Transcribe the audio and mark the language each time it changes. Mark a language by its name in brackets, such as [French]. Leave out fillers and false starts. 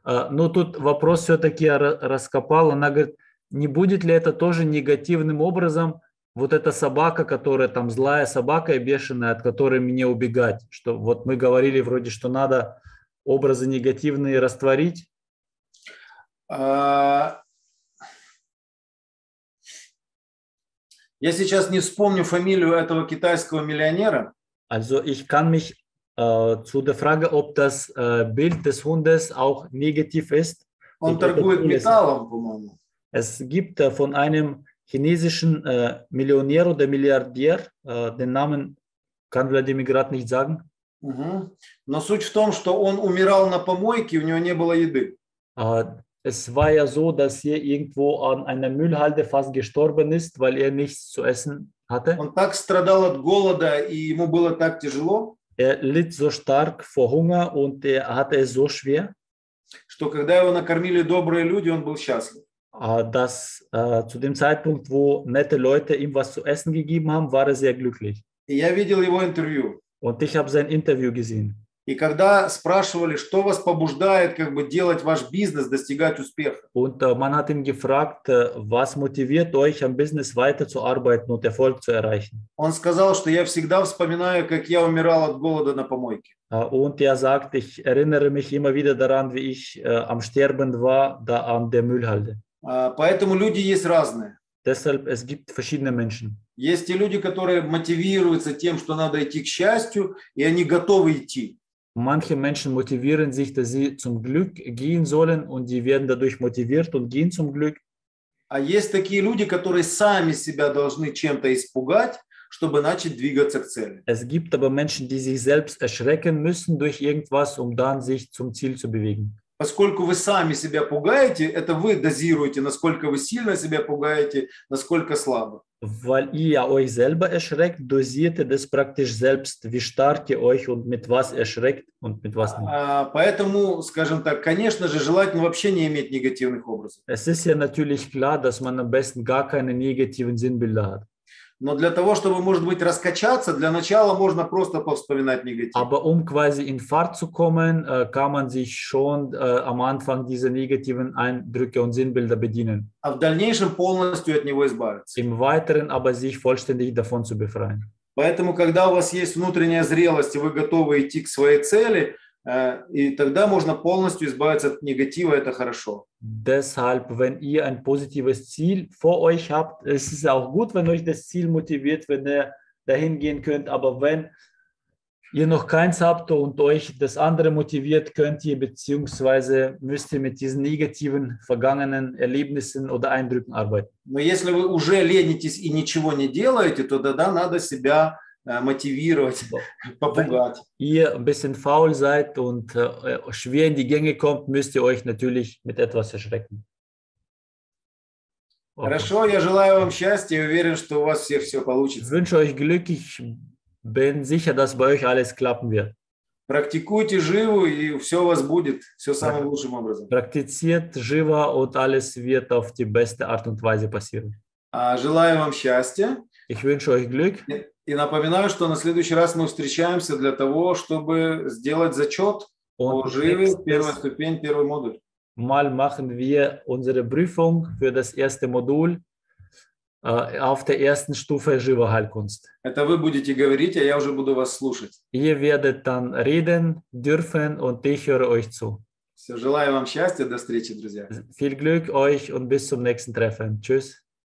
[Russian] Ну, тут вопрос все-таки я раскопал, она говорит, не будет ли это тоже негативным образом, вот эта собака, которая там злая собака и бешеная, от которой мне убегать, что вот мы говорили вроде, что надо образы негативные растворить. Я сейчас не вспомню фамилию этого китайского миллионера. [German] Also ich kann mich zu der Frage, ob das Bild des Hundes auch negativ ist. [Russian] Он торгует металлом, по-моему. [German] Es gibt von einem chinesischen Millionär oder Milliardär, den Namen kann Vladimir gerade nicht sagen. [Russian] Но суть в том, что он умирал на помойке, у него не было еды. [German] Es war ja so, dass er irgendwo an einer Müllhalde fast gestorben ist, weil er nichts zu essen hatte. [Russian] Он так страдал от голода, и ему было так тяжело. [German] Er litt so stark vor Hunger und er hatte es so schwer. [Russian] Что когда его накормили добрые люди, он был счастлив. [German] Dass zu dem Zeitpunkt, wo nette Leute ihm was zu essen gegeben haben, war er sehr glücklich. [Russian] Я видел его интервью. [German] Und ich habe sein Interview gesehen. [Russian] И когда спрашивали, что вас побуждает как бы делать ваш бизнес, достигать успеха? [German] Und man hat ihn gefragt, was motiviert euch am Business weiterzuarbeiten und Erfolg zu erreichen? [Russian] Он сказал, что я всегда вспоминаю, как я умирал от голода на помойке. [German] Und er sagt, ich erinnere mich immer wieder daran, wie ich am Sterben war, da an der Müllhalde. [Russian] Поэтому люди есть разные. [German] Deshalb, es gibt verschiedene Menschen. [Russian] Есть те люди, которые мотивируются тем, что надо идти к счастью, и они готовы идти. [German] Manche Menschen motivieren sich, dass sie zum Glück gehen sollen, und die werden dadurch motiviert und gehen zum Glück. [Russian] А есть такие люди, которые сами себя должны чем-то испугать, чтобы начать двигаться к цели. [German] Es gibt aber Menschen, die sich selbst erschrecken müssen durch irgendwas, um dann sich zum Ziel zu bewegen. [Russian] Поскольку вы сами себя пугаете, это вы дозируете, насколько вы сильно себя пугаете, насколько слабо. [German] Weil ihr euch selber erschreckt, dosiert ihr das praktisch selbst, wie stark ihr euch und mit was erschreckt und mit was nicht. [Russian] Поэтому, скажем так, конечно же, желательно вообще не иметь негативных образов. [German] Es ist ja natürlich klar, dass man am besten gar keine negativen Sinnbilder hat. [Russian] Но для того, чтобы, может быть, раскачаться, для начала можно просто повспоминать негатив. [German] Aber quasi in Fahrt zu kommen, kann man sich schon am Anfang diese negativen Eindrücke und Sinnbilder bedienen. [Russian] А в дальнейшем полностью от него избавиться. [German] Im weiteren aber sich vollständig davon zu befreien. [Russian] Поэтому, когда у вас есть внутренняя зрелость, и вы готовы идти к своей цели, и тогда можно полностью избавиться от негатива, это хорошо. [German] Deshalb, wenn ihr ein positives Ziel vor euch habt, es ist auch gut, wenn euch das Ziel motiviert, wenn ihr dahin gehen könnt, aber wenn ihr noch keins habt und euch das andere motiviert, könnt ihr beziehungsweise müsst ihr mit diesen negativen vergangenen Erlebnissen oder Eindrücken arbeiten. [Russian] Но если вы уже ленитесь и ничего не делаете, то тогда надо себя мотивировать, попугать. [German] Wenn ihr ein bisschen faul seid und schwer in die Gänge kommt, müsst ihr euch natürlich mit etwas erschrecken. Okay. [Russian] Хорошо, я желаю вам счастья, уверен, что у вас все получится. [German] Ich wünsche euch Glück, ich bin sicher, dass bei euch alles klappen wird. [Russian] Практикуйте живо, и все у вас будет, все самым лучшим образом. [German] Praktiziert живо, und alles wird auf die beste Art und Weise passieren. [Russian] Желаю вам счастья. [German] Ich wünsche euch Glück. [Russian] И напоминаю, что на следующий раз мы встречаемся для того, чтобы сделать зачет по живе, первая ступень, первый модуль. [German] Mal machen wir unsere Prüfung für das erste Modul auf der ersten Stufe Живоheilkunst. [Russian] Это вы будете говорить, а я уже буду вас слушать. [German] Ihr werdet dann reden dürfen und ich höre euch zu. [Russian] Все, желаю вам счастья, до встречи, друзья. [German] Viel Glück euch und bis zum nächsten Treffen. Tschüss.